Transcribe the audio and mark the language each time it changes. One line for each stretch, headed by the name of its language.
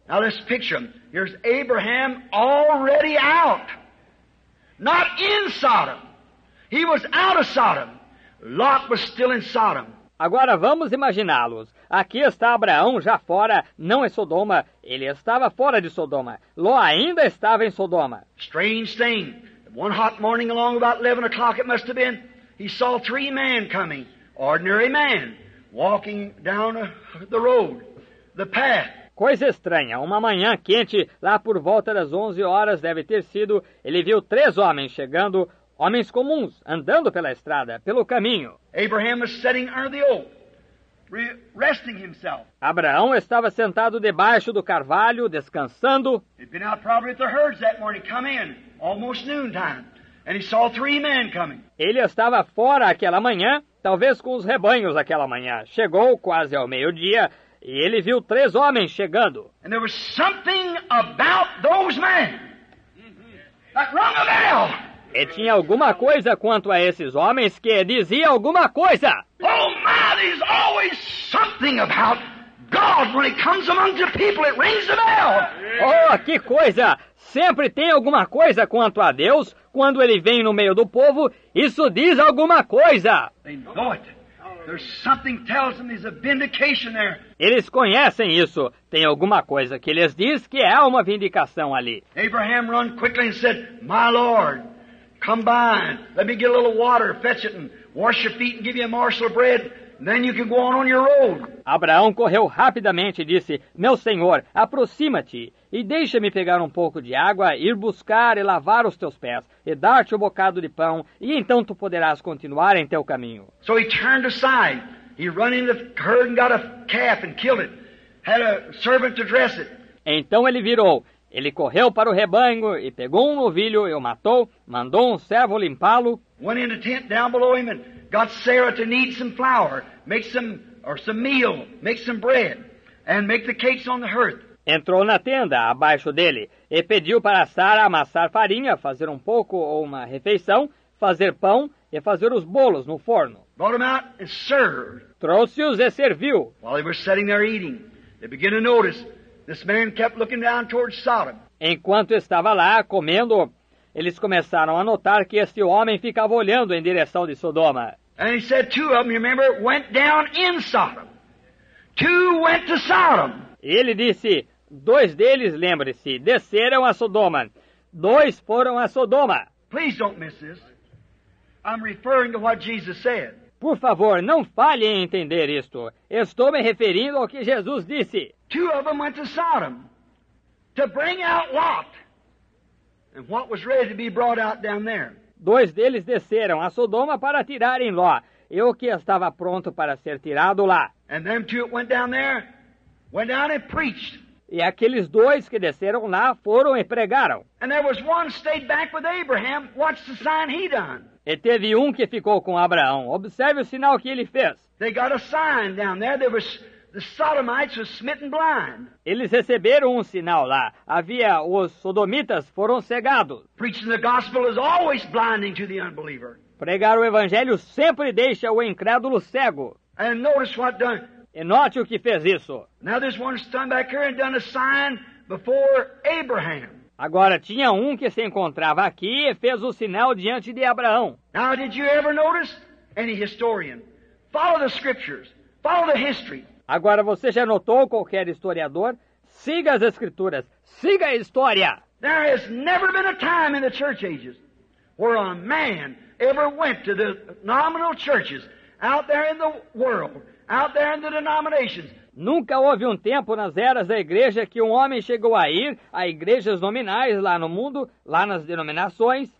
English: Now let's picture him. Here's Abraham already out. Not in Sodom. He was out of Sodom. Lot was still in Sodom.
Portuguese: Agora vamos imaginá-los. Aqui está Abraão já fora, não em Sodoma. Ele estava fora de Sodoma. Ló ainda estava em Sodoma.
English: Strange thing. One hot morning along about 11 o'clock it must have been, he saw three men coming, ordinary men, walking down the road, the path.
Portuguese: Coisa estranha, uma manhã quente, lá por volta das 11 horas deve ter sido, ele viu três homens chegando, homens comuns, andando pela estrada, pelo caminho.
English: Abraham was sitting under the oak, resting himself.
Portuguese: Abraão estava sentado debaixo do carvalho, descansando.
English: He'd been out probably at the herds that morning, come in, almost noontime, and he saw three men coming.
Portuguese: Ele estava fora aquela manhã, talvez com os rebanhos aquela manhã. Chegou quase ao meio-dia, e ele viu três homens chegando.
English: And there was something about those men that rung a bell.
Portuguese: E tinha alguma coisa quanto a esses homens que dizia alguma coisa.
English: Oh my, there's always something about God when it comes among the people, it rings a bell. Oh,
Portuguese: Oh, que coisa! Sempre tem alguma coisa quanto a Deus quando ele vem no meio do povo. Isso diz alguma coisa.
English: They know it. There's something tells them there's a vindication there.
Portuguese: Eles conhecem isso. Tem alguma coisa que lhes diz que é uma vindicação ali.
English: Abraham ran quickly and said, "My Lord, come by. Let me get a little water, fetch it, and wash your feet, and give you a morsel of bread. Then you can go on your road."
Portuguese: Abraão correu rapidamente e disse, "Meu Senhor, aproxima-te e deixa-me pegar um pouco de água, ir buscar e lavar os teus pés, e dar-te um bocado de pão, e então tu poderás continuar em teu caminho."
English: So he turned aside. He ran into the herd and got a calf and killed it. Had a servant to dress it.
Portuguese: Então ele virou. Ele correu para o rebanho e pegou um novilho e o matou, mandou um servo limpá-lo.
English: Went in the tent down below him and got Sarah to knead some flour, make some, or some meal, make some bread, and make the cakes on the hearth.
Portuguese: Entrou na tenda abaixo dele e pediu para Sara amassar farinha, fazer um pouco ou uma refeição, fazer pão e fazer os bolos no forno.
English: Brought them out and served.
Portuguese: Trouxe-os e serviu.
English: While they were sitting there eating, they began to notice this man kept looking down towards Sodom.
Portuguese: Enquanto estava lá comendo, eles começaram a notar que este homem ficava olhando em direção de Sodoma.
English: And he said two of them, remember, went down in Sodom. Two went to Sodom.
Portuguese: Ele disse, dois deles, lembre-se, desceram a Sodoma. Dois foram a Sodoma.
English: Please don't miss this. I'm referring to what Jesus said.
Portuguese: Por favor, não falhe em entender isto. Estou me referindo ao que Jesus disse.
English: Two of them went to Sodom to bring out Lot and what was ready to be brought out down there.
Portuguese: Dois deles desceram a Sodoma para tirarem Ló e o que estava pronto para ser tirado lá.
English: And them two went down there, went down and preached.
Portuguese: E aqueles dois que desceram lá foram e pregaram.
English: And there was one stayed back with Abraham, watched the sign he done.
Portuguese: E teve um que ficou com Abraão. Observe o sinal que ele fez.
English: They got a sign down there. There was the Sodomites were smitten blind.
Portuguese: Eles receberam um sinal lá. Havia os sodomitas foram cegados.
English: Preaching the gospel is always blinding to the unbeliever.
Portuguese: Pregar o evangelho sempre deixa o incrédulo cego.
English: And notice what done.
Portuguese: E note o que fez isso.
English: Now there's one stand back here and done a sign before Abraham.
Portuguese: Agora, tinha um que se encontrava aqui e fez o sinal diante de Abraão.
English: Now, did you ever notice any historian? Follow the scriptures. Follow the history.
Portuguese: Agora, você já notou qualquer historiador? Siga as escrituras. Siga a história.
English: There has never been a time in the church ages where a man ever went to the nominal churches out there in the world, out there in the denominations.
Portuguese: Nunca houve um tempo nas eras da igreja que um homem chegou a ir a igrejas nominais lá no mundo, lá nas denominações.